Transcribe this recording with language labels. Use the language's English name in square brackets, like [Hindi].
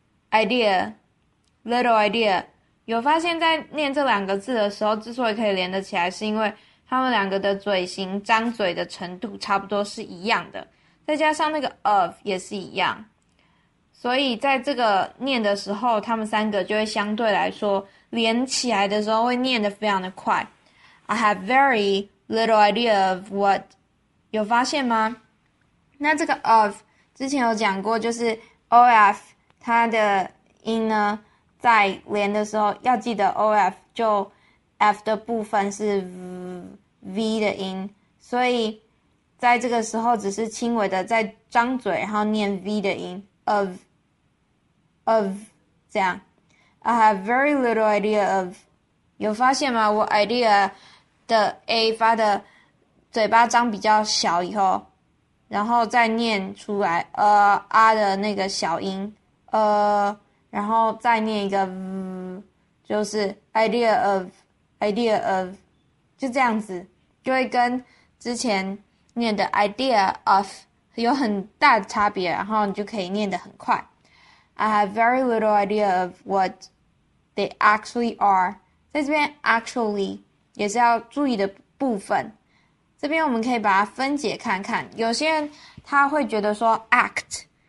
[Chinese] idea，little idea，有发现，在念这两个字的时候，之所以可以连得起来，是因为他们两个的嘴型、张嘴的程度差不多是一样的，再加上那个 of 也是一样，所以在这个念的时候，他们三个就会相对来说连起来的时候会念得非常的快。 [English] I have very little idea of what， [Chinese] 有发现吗？那这个 of 之前有讲过，就是 of。它的音呢，在连的时候要记得 OF，就 F 的部分是 V 的音，所以在这个时候只是轻微的在张嘴，然后念 V 的音 of 这样。 [English] I have very little idea of， [Chinese] 有发现吗？我 idea 的 A 发的嘴巴张比较小以后，然后再念出来R 的那个小音。然后再念一个，就是 idea of，就这样子，就会跟之前念的 idea of 有很大的差别，然后你就可以念得很快。 [English] I have very little idea of what they actually are。 [Chinese] 在这边 actually 也是要注意的部分。这边我们可以把它分解看看，有些人他会觉得说 act。